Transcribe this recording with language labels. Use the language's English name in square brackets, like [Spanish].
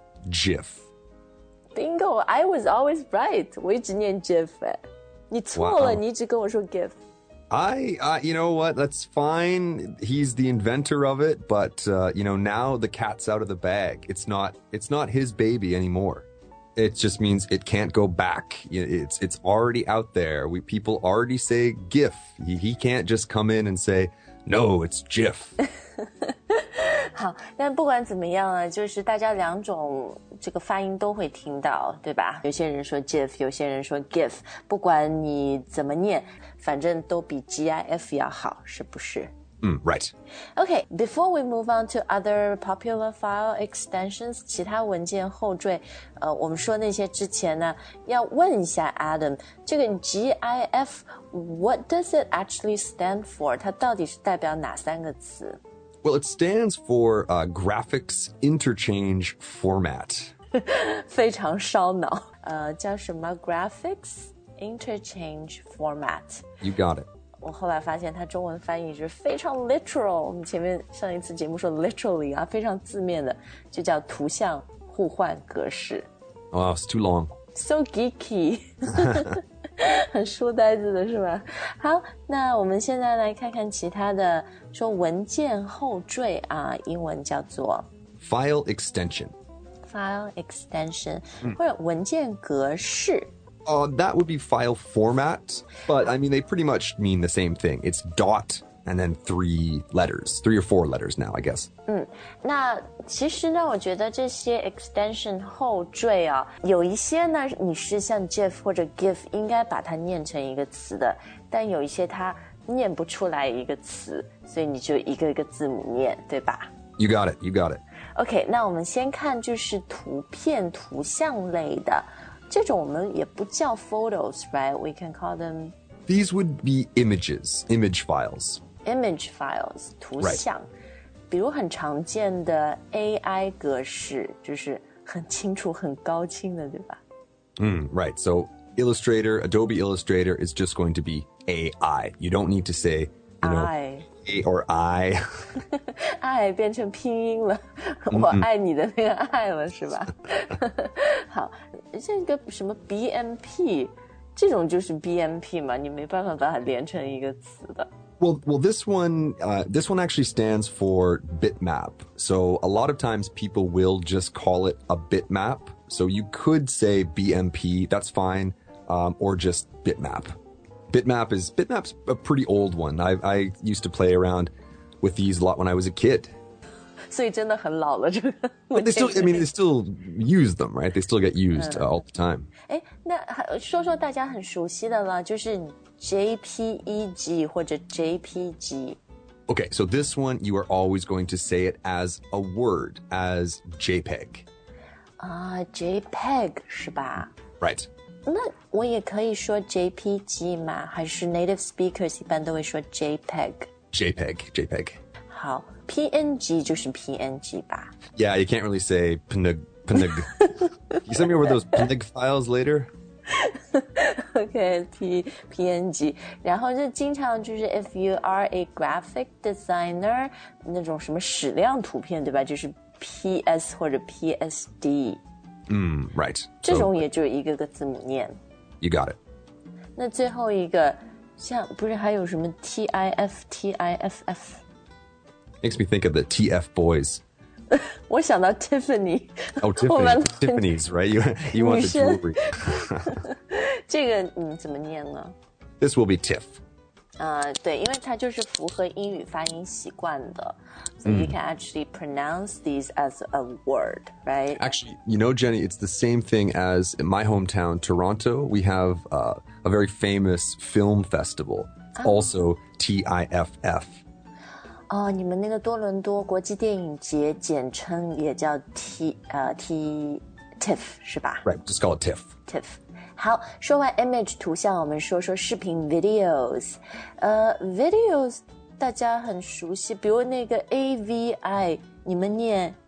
[English] GIF Bingo, I was always right, [Chinese] 我一直念 GIF 你错了、wow. 你一直跟我说 GIF [English] I, you know what, that's fine. He's the inventor of it, but,、you know, now the cat's out of the bag. It's not his baby anymore. It just means it can't go back. It's already out there. People already say GIF. He can't just come in and say, no, it's GIF. [Chinese] 好，但不管怎么样啊，就是大家两种这个发音都会听到，对吧？有些人说 GIF， 有些人说 GIF， 不管你怎么念，反正都比 GIF 要好，是不是？ [English] 嗯 ，right. Okay, before we move on to other popular file extensions, [Chinese] 其他文件后缀，我们说那些之前呢，要问一下 Adam， 这个 GIF， [English] what does it actually stand for？ [Chinese] 它到底是代表哪三个词？ [English] Well, it stands for、Graphics Interchange Format. [Chinese] 非常烧脑、叫什么 Graphics Interchange Format. [English] You got it. [Chinese] 我后来发现它中文翻译是非常 literal. 我们前面上一次节目说 literally 啊，非常字面的，就叫图像互换格式。 [English] Oh, it's too long. So geeky. [Chinese] 很书呆子的是吧？好，那我们现在来看看其他的，说文件后缀啊，英文叫做 [English] file extension. [Chinese] File extension、嗯、或者文件格式。 [English] That would be file format, but I mean they pretty much mean the same thing. It's dot and then three or four letters now, I guess. [Chinese] 嗯，那其实呢，我觉得这些 extension 后缀啊，有一些呢，你是像 GIF 或者 GIF 应该把它念成一个词的，但有一些它念不出来一个词，所以你就一个一个字母念，对吧？ [English] You got it, you got it. [Chinese] OK, 那我们先看就是图片、图像类的，这种我们也不叫 photos, right? [English] We can call them... These would be images, image files. Image files, 图像、 right. [Chinese] 比如很常见的 AI 格式就是很清楚很高清的对吧、 [English] mm, Right, so Illustrator, Adobe Illustrator is just going to be AI. You don't need to say, you know, or I. [Chinese] 爱变成拼音了，我爱你的那个爱了，是吧？好，像一个什么 BMP， 这种就是 BMP 嘛，你没办法把它连成一个词的。 [English] Well, this one actually stands for bitmap. So a lot of times people will just call it a bitmap. So you could say BMP, that's fine,or just bitmap. Bitmap's a pretty old one. I used to play around with these a lot when I was a kid. [Chinese] 所以真的很老了这个。 [English] But they still use them, right? They still get used、all the time. [Chinese] 那说说大家很熟悉的了，就是JPEG 或者 JPG. [English] Okay, so this one, you are always going to say it as a word, as JPEG. [Chinese] JPEG, 是吧? [English] Right. [Chinese] 那我也可以说 JPG 吗?还是 native speakers 一般都会说 JPEG? [English] JPEG. [Chinese] 好, PNG 就是 PNG 吧? [English] Yeah, you can't really say PNG. You send me over those PNG files later? [Chinese] OK,PNG, 然后就经常就是 [English] if you are a graphic designer, [Chinese] 那种什么矢量图片对吧就是 PS 或者 PSD. [English] Right. [Chinese] 这种也就一个个字母念。 [English] You got it. [Chinese] 那最后一个像不是还有什么 TIFF? [English] Makes me think of the TF boys. [Chinese] 我想到 Tiffany. [English] Oh, Tiffany. Tiffany's, right? You want the jewelry. [Chinese] 这个你怎么念呢? [English] This will be Tiff. [Chinese] 对,因为它就是符合英语发音习惯的。 [English] So you can actually pronounce these as a word, right? Actually, you know, Jenny, it's the same thing as in my hometown, Toronto. We have a very famous film festival, also TIFF. [Chinese] 你们那个多伦多国际电影节简称也叫 TIFF, 是吧? [English] Right, just call it TIFF. TIFF. [Chinese] 好,说完 image 图像,我们说说视频 videos. Videos, 大家很熟悉,比如那个 AVI, 你们念